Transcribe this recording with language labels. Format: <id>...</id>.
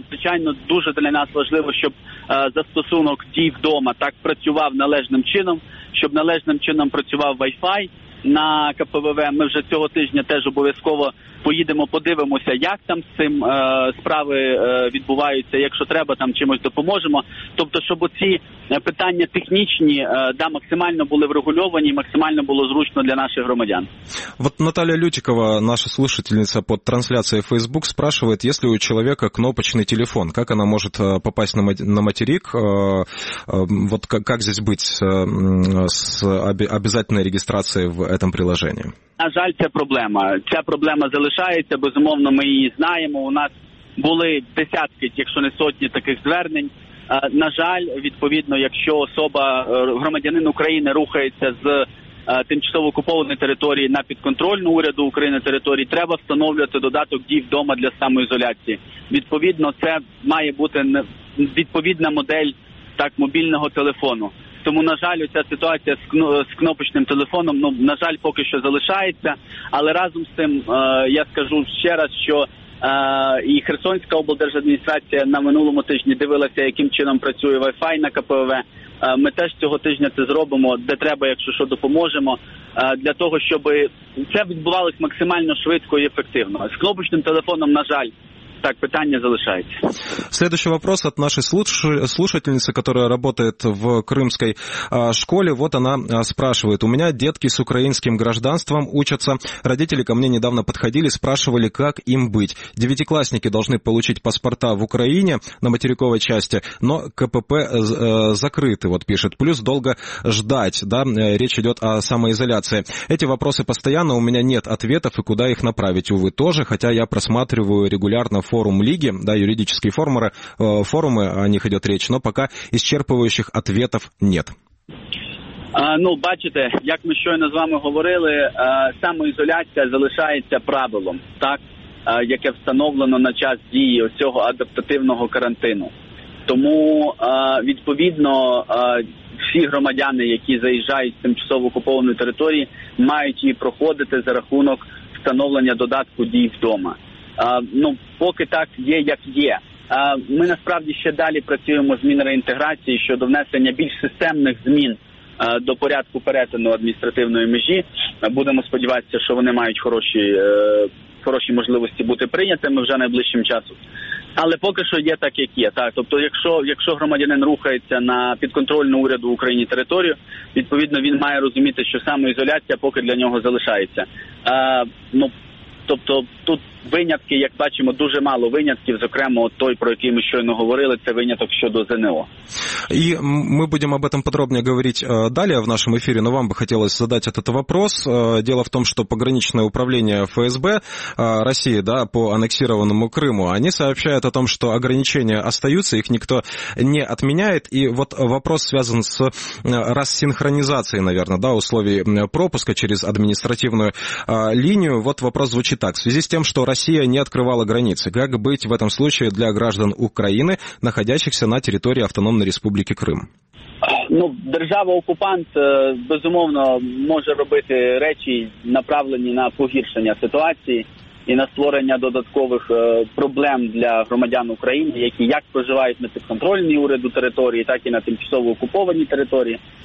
<uk>Звичайно, дуже для нас важливо, щоб застосунок «дій вдома» так працював належним чином, щоб належним чином працював Wi-Fi на КПВВ. Ми вже цього тижня теж обов'язково поїдемо, подивимося, як там з цим справи відбуваються, якщо треба, там чимось допоможемо. Тобто, щоб оці питання технічні, да, максимально були врегульовані, максимально було зручно для наших громадян.</uk> <ru>Вот Наталя Лютикова, наша слушательница под трансляцией Facebook, спрашивает, есть ли у человека кнопочный телефон, как она может попасть на материк, вот как здесь быть с обязательной регистрацией в этом приложении?</ru> <uk>На жаль, це проблема. Ця проблема залишається, безумовно, ми її знаємо. У нас були десятки, якщо не сотні таких звернень. На жаль, відповідно, якщо особа, громадянин України рухається з тимчасово окупованої території на підконтрольну уряду України території, треба встановлювати додаток дій вдома для самоізоляції. Відповідно, це має бути відповідна модель, так, мобільного телефону. Тому, на жаль, ця ситуація з кнопочним телефоном, ну, на жаль, поки що залишається. Але разом з тим, я скажу ще раз, що і Херсонська облдержадміністрація на минулому тижні дивилася, яким чином працює Wi-Fi на КПВВ. Ми теж цього тижня це зробимо, де треба, якщо що, допоможемо, для того, щоб це відбувалось максимально швидко і ефективно. З кнопочним телефоном, на жаль, так, питання залишається.</uk> <ru>Следующий вопрос от нашей слушательницы, которая работает в крымской школе. Вот она спрашивает. У меня детки с украинским гражданством учатся. Родители ко мне недавно подходили, спрашивали, как им быть. Девятиклассники должны получить паспорта в Украине на материковой части, но КПП закрыты, вот пишет. Плюс долго ждать, да, речь идет о самоизоляции. Эти вопросы постоянно, у меня нет ответов, и куда их направить, увы, тоже, хотя я просматриваю регулярно форум Лиги, да, юридические форумы, о них идет речь, но пока исчерпывающих ответов нет.</ru> <uk>Ну, бачите, як ми щойно з вами говорили, самоізоляція залишається правилом, так, яке встановлено на час дії цього адаптативного карантину. Тому, відповідно, всі громадяни, які заїжджають з тимчасово окупованої території, мають її проходити за рахунок встановлення додатку дій вдома. Ну, поки так є, як є. Ми насправді ще далі працюємо з Мінреінтеграції щодо внесення більш системних змін до порядку перетину адміністративної межі. Будемо сподіватися, що вони мають хороші можливості бути прийнятими вже найближчим часом. Але поки що є так, як є. Так, тобто, якщо громадянин рухається на підконтрольну уряду в Україні територію, відповідно, він має розуміти, що самоізоляція поки для нього залишається. Ну, тобто, тут винятки, як бачимо, дуже мало винятків, зокрема той, про який ми щойно говорили, це виняток щодо ЗНО.</uk> <ru>И мы будем об этом подробнее говорить далее в нашем эфире, но вам бы хотелось задать этот вопрос. Дело в том, что пограничное управление ФСБ России, да, по аннексированному Крыму, они сообщают о том, что ограничения остаются, их никто не отменяет. И вот вопрос связан с рассинхронизацией, наверное, да, условий пропуска через административную линию. Вот вопрос звучит так. В связи с тем, что Россия не открывала границы, как быть в этом случае для граждан Украины, находящихся на территории Автономной Республики Крым?</ru> <uk>Ну, держава-окупант, безумовно, може робити речі, направлені на погіршення ситуації і на створення додаткових проблем для громадян України, які як проживають на підконтрольній уряду території, так і на тимчасово окупованій території.</uk>